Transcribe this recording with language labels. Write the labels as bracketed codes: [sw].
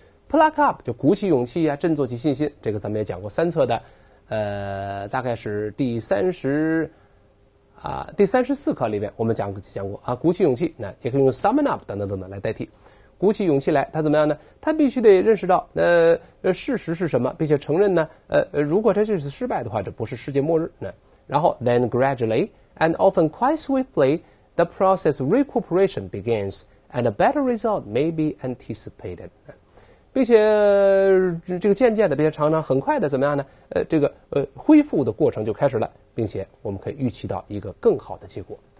[zh] pluck up 就鼓起勇气啊，振作起信心，这个咱们也讲过三册的，大概是第三十四课里面我们讲过啊，鼓起勇气，那也可以用 summon up 等等等等来代替。鼓起勇气来，他怎么样呢？他必须得认识到事实是什么，并且承认呢，如果他这次失败的话，这不是世界末日呢。 [en] 然后 then gradually and often quite swiftly the process recuperation begins and a better result may be anticipated。 [zh] 并且这个渐渐的，并且常常很快的怎么样呢？恢复的过程就开始了，并且我们可以预期到一个更好的结果。